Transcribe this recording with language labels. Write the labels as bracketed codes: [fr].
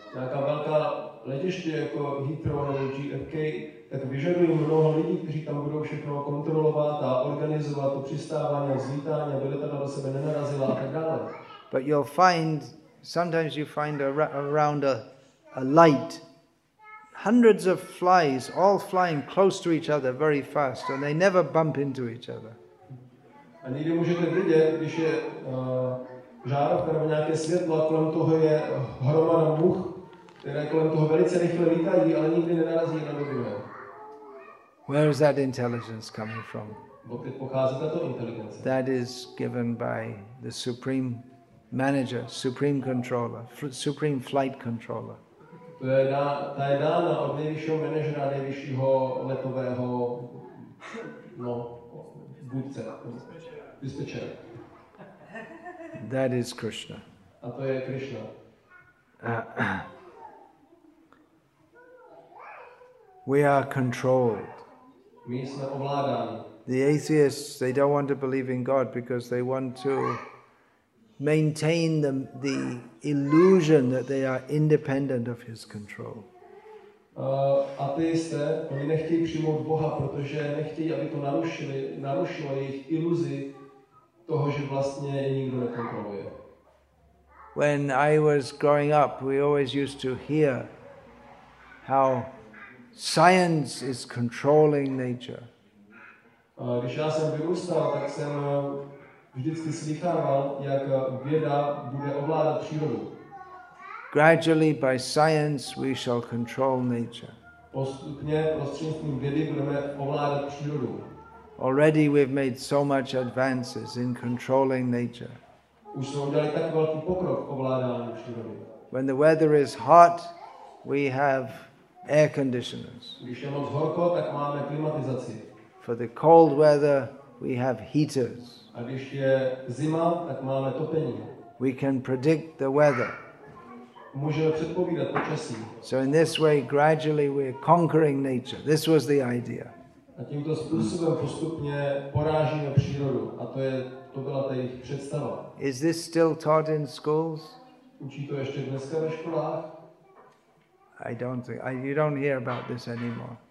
[cs] Nějaká velká letiště jako Heathrow nebo JFK, tak vyžadují mnoho lidí, kteří tam budou všechno kontrolovat a organizovat to přistávání, zvítání, aby letadla do sebe nenarazila a tak dále. [en] But you'll find, sometimes you find around a light, hundreds of flies all flying close to each other very fast and they never bump into each other. [cs] A někdy můžete vidět, když je žárovka nebo nějaké světlo a kolem toho je hromada much, které kolem toho velice rychle lítají, ale nikdy nenarazí jedna do druhé. [en] Where is that intelligence coming from? [cs] Odkud pochází tato inteligence? [en] That is given by the supreme manager, supreme controller, supreme flight controller. [cs] To je ta je dána od nejvyššího manažera, nejvyššího letového, no, vůdce, dispečera. [en] That is Krishna. [cs] A to je Krishna. [en] We are controlled. [cs] My jsme ovládáni. [en] The atheists, they don't want to believe in God because they want to maintain the illusion that they are independent of his control. [cs] Ateisté, oni nechtějí přijmout Boha, protože nechtějí, aby to narušilo jejich iluzi toho, že vlastně nikdo nekontroluje. [en] When I was growing up, we always used to hear how science is controlling nature. [cs] Když já jsem vyrůstal, tak jsem vždycky slýchával, jak věda bude ovládat přírodu. [en] Gradually by science we shall control nature. [cs] Postupně prostřednictvím vědy budeme ovládat přírodu. [en] Already we've made so much advances in controlling nature. [cs] Už jsme udělali tak velký pokrok ovládání přírody. [en] When the weather is hot, we have air conditioners. [cs] Když je moc horko, tak máme klimatizaci. [en] For the cold weather, we have heaters. [cs] A když je zima, tak máme topení. [en] We can predict the weather. [cs] Můžeme předpovídat počasí. [en] So in this way, gradually we're conquering nature. This was the idea. [cs] A tímto způsobem postupně porážíme přírodu. A to byla ta jejich představa. [en] Is this still taught in schools? [cs] Učí to ještě dneska ve školách? [en] I don't think, you don't hear about this anymore.